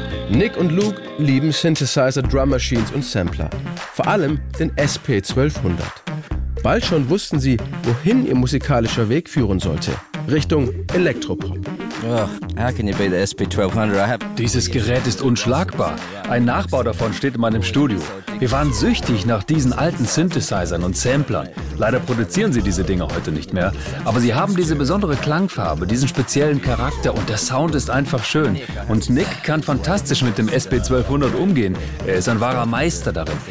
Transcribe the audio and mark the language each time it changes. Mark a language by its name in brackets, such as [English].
[German] Nick und Luke lieben Synthesizer, Drum Machines und Sampler. Vor allem den SP-1200. Bald schon wussten sie, wohin ihr musikalischer Weg führen sollte. Richtung Elektropop. [English] Ugh, how can you beat the SP-1200? I have... [German] Dieses Gerät ist unschlagbar. Ein Nachbau davon steht in meinem Studio. Wir waren süchtig nach diesen alten Synthesizern und Samplern. Leider produzieren sie diese Dinge heute nicht mehr. Aber sie haben diese besondere Klangfarbe, diesen speziellen Charakter und der Sound ist einfach schön. Und Nick kann fantastisch mit dem SP-1200 umgehen. Er ist ein wahrer Meister darin.